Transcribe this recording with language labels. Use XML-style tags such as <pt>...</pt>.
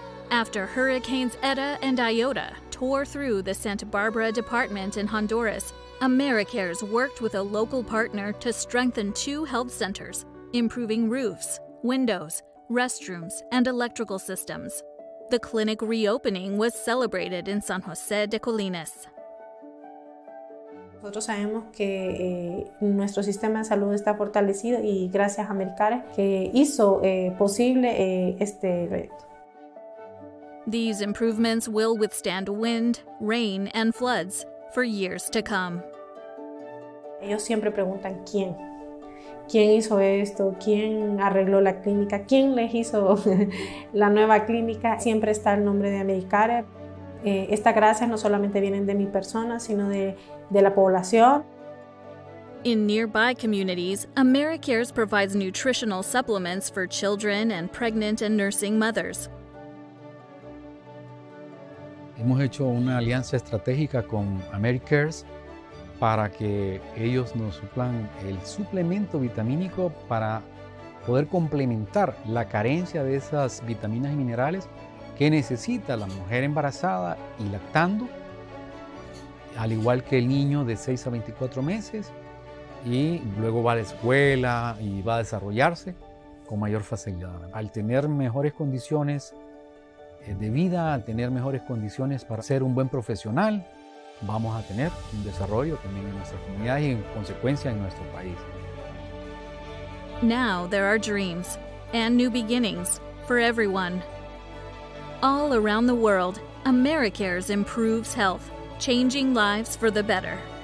<en>After Hurricanes Eta and Iota tore through the Santa Barbara department in Honduras, Americares worked with a local partner to strengthen two health centers, improving roofs, windows, restrooms, and electrical systems. The clinic reopening was celebrated in San Jose de Colinas.</en> <es>Nosotros sabemos que nuestro sistema de salud está fortalecido y gracias a Americares que hizo posible este proyecto.</es> <en>These improvements will withstand wind, rain, and floods for years to come.</en> <es>Ellos siempre preguntan quién. ¿Quién hizo esto? ¿Quién arregló la clínica? ¿Quién les hizo la nueva clínica? Siempre está el nombre de Americares. Estas gracias no solamente vienen de mi persona, sino de la población.</es> <en>In nearby communities, Americares provides nutritional supplements for children and pregnant and nursing mothers.</en> <es>Hemos hecho una alianza estratégica con Americares para que ellos nos suplan el suplemento vitamínico para poder complementar la carencia de esas vitaminas y minerales que necesita la mujer embarazada y lactando, al igual que el niño de 6 a 24 meses, y luego va a la escuela y va a desarrollarse con mayor facilidad. Al tener mejores condiciones de vida, al tener mejores condiciones para ser un buen profesional, vamos a tener un desarrollo también en nuestra comunidad y en consecuencia en nuestro país.</es> <en>Now there are dreams and new beginnings for everyone. All around the world, Americares improves health, changing lives for the better.</en>